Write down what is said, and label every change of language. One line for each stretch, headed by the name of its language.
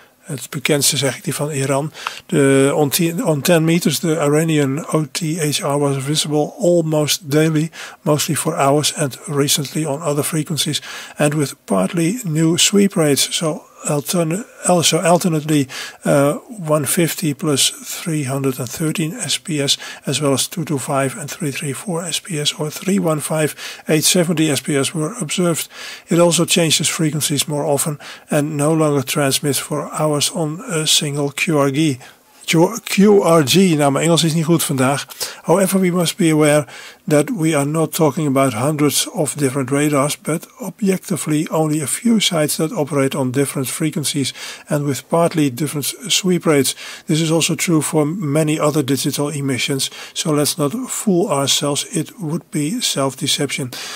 Dutch: Het bekendste zeg ik die van Iran.
English: De on 10 meters, the Iranian OTHR was visible almost daily, mostly for hours and recently on other frequencies and with partly new sweep rates. So alternately 150 plus 313 SPS as well as 225 and 334 SPS or 315 870 SPS were observed. It also changes frequencies more often and no longer transmits for hours on a single QRG.
Dutch: QRG, nou mijn Engels is niet goed vandaag.
English: However, we must be aware that we are not talking about hundreds of different radars, but objectively only a few sites that operate on different frequencies and with partly different sweep rates. This is also true for many other digital emissions, so let's not fool ourselves, it would be self-deception.